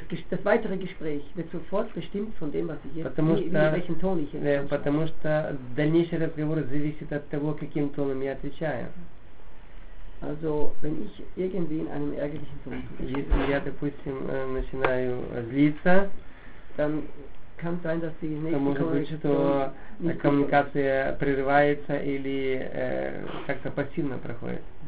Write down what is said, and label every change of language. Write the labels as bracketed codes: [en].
[de] das weitere Gespräch wird sofort bestimmt von dem, was ich jetzt, in welchem Ton ich jetzt anschaue. [ru] Потому что дальнейший разговор зависит от того, каким тоном я отвечаю. [de] Also, wenn ich irgendwie in einem ärgerlichen Ton spreche, [ru] если я, допустим, начинаю злиться, [de] dann kann sein, dass die nächste [ru] коммуникация прерывается или как-то пассивно проходит.